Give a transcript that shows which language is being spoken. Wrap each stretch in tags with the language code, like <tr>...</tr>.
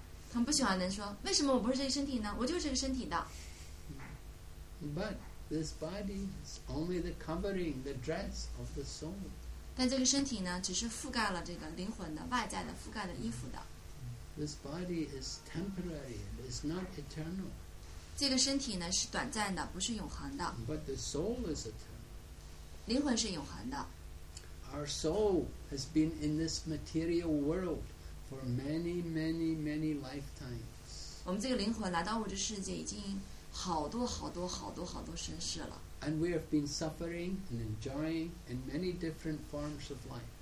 <zh>他们不喜欢人说，为什么我不是这个身体呢？我就是这个身体的。</zh> <en>But this body is only the covering, the dress of the soul.</en> <zh>但这个身体呢，只是覆盖了这个灵魂的外在的覆盖的衣服的。</zh> <en>This body is temporary, it is not eternal.</en> <zh>这个身体呢，是短暂的，不是永恒的。</zh> <en>But the soul is eternal.</en> <zh>灵魂是永恒的。</zh> <en>Our soul has been in this material world for many, many, many lifetimes.</en> <zh>我们这个灵魂来到物质世界已经好多好多好多好多生世了。</zh> <en>And we have been suffering and enjoying in many different forms of life.</en>